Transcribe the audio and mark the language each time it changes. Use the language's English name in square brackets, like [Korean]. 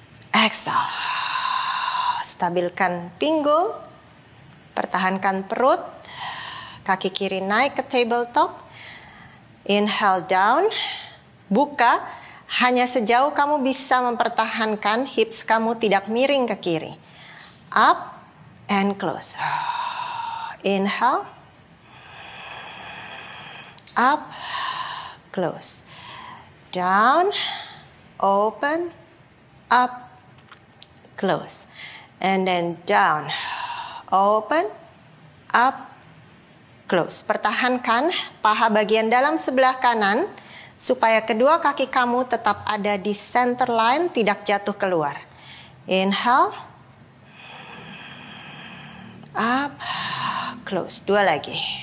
[English] Exhale. [Indonesian] Stabilkan pinggul. Pertahankan perut. Kaki kiri naik ke tabletop. [English] Inhale down. [Indonesian] Buka. Hanya sejauh kamu bisa mempertahankan hips kamu tidak miring ke kiri. [English] Up and close. Inhale, up, close, down, open, up, close, and then down, open, up, close. [Indonesian] Pertahankan paha bagian dalam sebelah kanan supaya kedua kaki kamu tetap ada di center line, tidak jatuh keluar. [English] Inhale, up, close. [Indonesian] Dua lagi.